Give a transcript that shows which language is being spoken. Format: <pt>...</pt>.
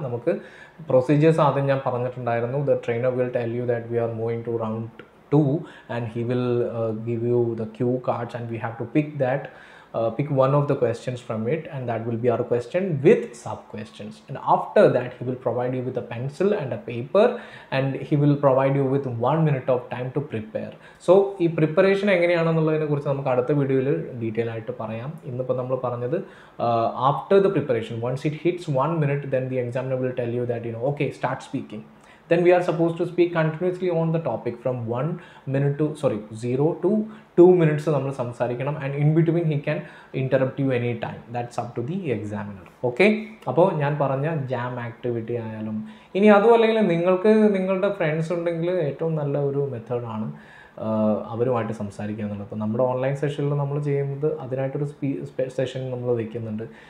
<ml>നമുക്ക് പ്രൊസീജിയേഴ്സ് ആദ്യം ഞാൻ പറഞ്ഞിട്ടുണ്ടായിരുന്നു.</ml> <en>The trainer will tell you that we are moving to round 2 and he will give you the cue cards and we have to pick that pick one of the questions from it and that will be our question with sub questions and after that he will provide you with a pencil and a paper and he will provide you with 1 minute of time to prepare.</en> <ml>So ഈ preparation എങ്ങനെയാണെന്നുള്ളതിനെ കുറിച്ച് നമുക്ക് അടുത്ത വീഡിയോയിൽ detail ആയിട്ട് പറയാം. ഇന്നിപ്പോൾ നമ്മൾ പറഞ്ഞത്</ml> <en>After the preparation once it hits 1 minute then the examiner will tell you that you know okay start speaking. Then we are supposed to speak continuously on the topic from 1 minute to, sorry, 0 to 2 minutes</en> <ml>നമ്മൾ സംസാരിക്കണം.</ml> <en>And in between he can interrupt you any time. That's up to the examiner.</en> <ml>Okay, അപ്പോൾ ഞാൻ പറഞ്ഞ jam activity ആയാലും ഇനി അതും അല്ലെങ്കിൽ നിങ്ങൾക്ക് നിങ്ങളുടെ ഫ്രണ്ട്സ് ഉണ്ടെങ്കിൽ ഏറ്റവും നല്ല ഒരു മെത്തേഡാണ് അവരുമായിട്ട് സംസാരിക്കുക എന്നുള്ളത്. അപ്പോൾ നമ്മുടെ ഓൺലൈൻ സെഷനിൽ നമ്മൾ ചെയ്യുന്നത് അതിനായിട്ടൊരു സെഷൻ നമ്മൾ വയ്ക്കുന്നുണ്ട്.</ml>